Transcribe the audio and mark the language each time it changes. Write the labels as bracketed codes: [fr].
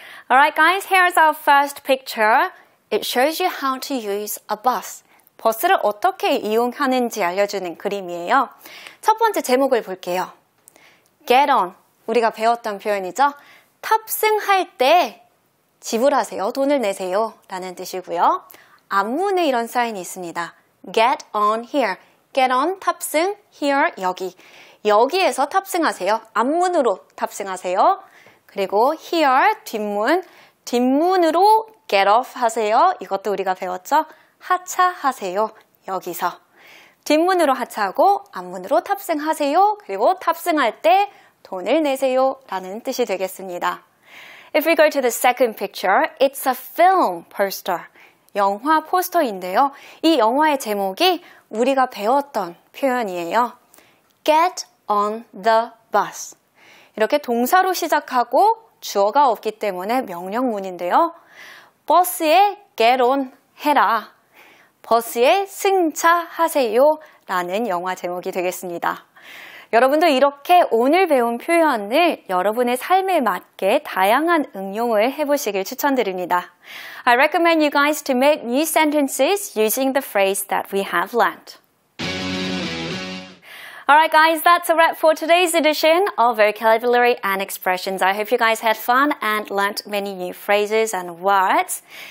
[en] All right, guys, here's our first picture. It shows you how to use a bus. [ko] 버스를 어떻게 이용하는지 알려주는 그림이에요. 첫 번째 제목을 볼게요. Get on, 우리가 배웠던 표현이죠. 탑승할 때 지불하세요, 돈을 내세요 라는 뜻이고요. 앞문에 이런 사인이 있습니다. [en] Get on here. Get on, 탑승, here, 여기. [ko] 여기에서 탑승하세요. 앞문으로 탑승하세요. 그리고 here, 뒷문. 뒷문으로 get off 하세요. 이것도 우리가 배웠죠. 하차하세요. 여기서. 뒷문으로 하차하고 앞문으로 탑승하세요. 그리고 탑승할 때 돈을 내세요 라는 뜻이 되겠습니다. [en] If we go to the second picture, it's a film poster. [ko] 영화 포스터인데요. 이 영화의 제목이 우리가 배웠던 표현이에요. [en] Get on the bus. [ko] 이렇게 동사로 시작하고 주어가 없기 때문에 명령문인데요. 버스에 get on 해라. 버스에 승차하세요 라는 영화 제목이 되겠습니다. 여러분도 이렇게 오늘 배운 표현을 여러분의 삶에 맞게 다양한 응용을 해보시길 추천드립니다. [en] I recommend you guys to make new sentences using the phrase that we have learned. Alright guys, that's a wrap for today's edition of Vocabulary and Expressions. I hope you guys had fun and learned many new phrases and words.